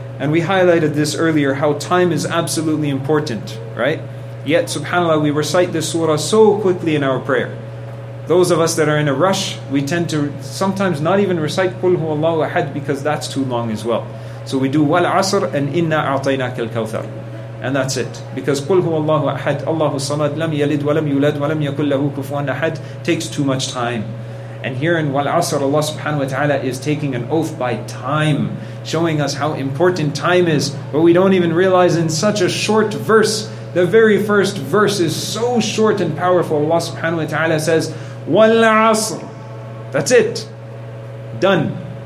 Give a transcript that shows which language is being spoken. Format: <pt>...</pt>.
<en>And we highlighted this earlier, how time is absolutely important, right? Yet, subhanAllah, we recite this surah so quickly in our prayer. Those of us that are in a rush, we tend to sometimes not even recite</en> <ar>قُلْ هُوَ اللَّهُ أَحَدٍ</ar> <en>because that's too long as well. So we do وَالْعَصْر and</en> <ar>إِنَّا أَعْطَيْنَاكَ الْكَوْثَرِ.</ar> <en>And that's it.</en> <ar>Because قُلْ هُوَ اللَّهُ أَحَدٍ اللَّهُ الصَّمَدْ لَمْ يَلِدْ وَلَمْ يُولَدْ وَلَمْ يَكُلْ لَهُ كُفُوًا أَحَدٍ</ar> <en>takes too much time. And here in Wal-Asr, Allah subhanahu wa ta'ala is taking an oath by time, showing us how important time is. But we don't even realize in such a short verse, the very first verse is so short and powerful. Allah subhanahu wa ta'ala says, Wal-Asr. That's it. Done.</en>